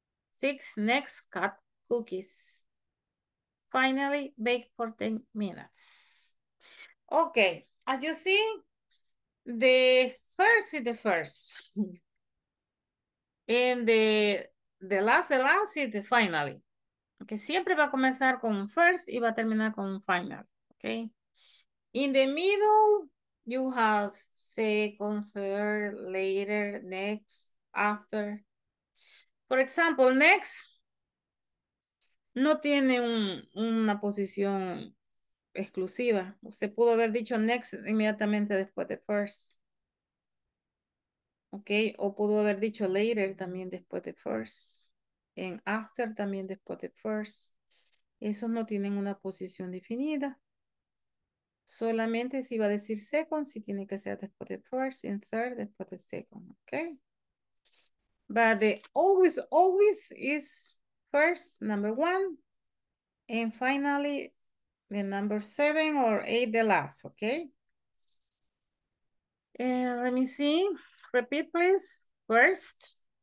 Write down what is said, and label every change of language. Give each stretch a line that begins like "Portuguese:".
English: Six, next, cut cookies. Finally, bake for 10 minutes. Okay, as you see, the first is the first. And the last is the finally.
Spanish: Okay, siempre va a comenzar con first y va a terminar con final. Okay.
English: In the middle, you have second, third, later, next, after. For example,
Spanish: next no tiene una posición exclusiva. Usted pudo haber dicho next inmediatamente después de first. Okay, o pudo haber dicho later también después de first. En after también después de first. Esos no tienen una posición definida. Solamente si va a decir second, si tiene que ser después de first. En third, después de second. Okay.
English: But the always, always is first, number one. And finally, the number seven or eight, the last. Okay. And let me see. Repeat, please. First.